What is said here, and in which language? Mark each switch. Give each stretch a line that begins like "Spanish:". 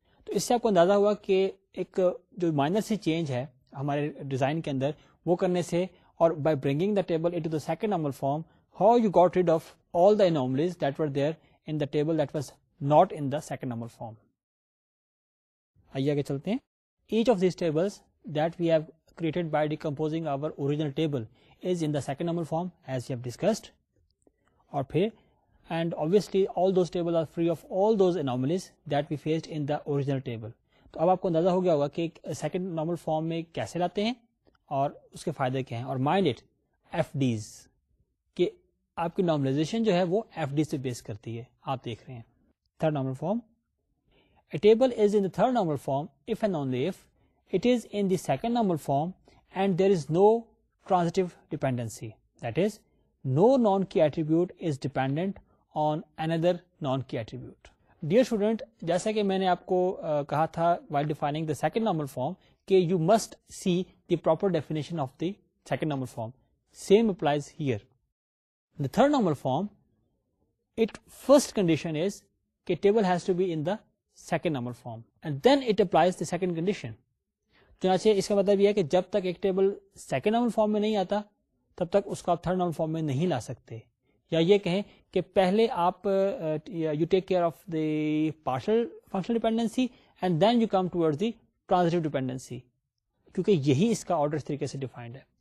Urdu: تو اس سے آپ کو اندازہ ہوا کہ ایک جو مائنر سی چینج ہے ہمارے ڈیزائن کے اندر وہ کرنے سے,
English: اور by bringing the table it to the second normal form, how you got rid of all the anomalies that were there in the table that was not in the second normal form.
Urdu: آئیے آگے چلتے ہیں.
English: Each of these tables that we have created by decomposing our original table is in the second normal form as you have discussed.
Urdu: اور پھر
English: and obviously all those tables are free of all those anomalies that we faced in the original table.
Urdu: تو اب آپ کو اندازہ ہو گیا ہوگا کہ سیکنڈ نارمل فارم میں کیسے لاتے ہیں اور اس کے فائدے کیا ہیں. اور
English: mind it if these
Urdu: کہ آپ کی نارملائزیشن جو ہے وہ ایف ڈی سے بیس کرتی ہے. آپ دیکھ رہے ہیں third normal form.
English: A table is in the third normal form if and only if it is in the second normal form and there is no transitive dependency, that is no non key attribute is dependent on another non-key attribute. Dear student,
Urdu: جیسا کہ میں نے آپ کو کہا تھا
English: while defining the second normal form کہ you must see the proper definition of the second normal form. Same applies here. The third normal form, its first condition is
Urdu: کہ
English: table has to be in the second normal form and then it applies the second condition.
Urdu: چنانچہ اس کا مطلب یہ ہے کہ جب تک ایک ٹیبل سیکنڈ نارمل فارم میں نہیں آتا تب تک اس کو آپ تھرڈ نارمل فارم میں نہیں لا سکتے. یا یہ کہیں کہ پہلے آپ
English: you take care of the partial functional dependency and then you come toward the transitive dependency,
Urdu: کیونکہ یہی اس کا آرڈر اس طریقے سے ڈیفائنڈ ہے.